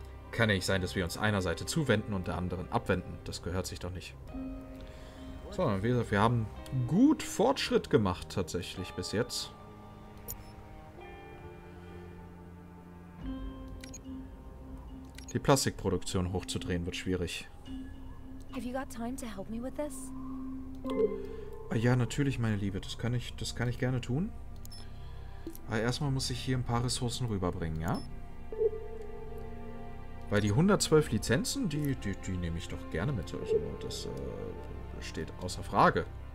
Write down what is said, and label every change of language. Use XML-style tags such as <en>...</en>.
<de>Kann ja nicht sein, dass wir uns einer Seite zuwenden und der anderen abwenden. Das gehört sich doch nicht. So, wie gesagt, wir haben gut Fortschritt gemacht tatsächlich bis jetzt. Die Plastikproduktion hochzudrehen wird schwierig.</de> <en>Have you got time to help me with this?</en> <de>Ja, natürlich, meine Liebe. Das kann ich gerne tun. Aber erstmal muss ich hier ein paar Ressourcen rüberbringen, ja? Weil die 112 Lizenzen, die nehme ich doch gerne mit. Also das steht außer Frage.</de>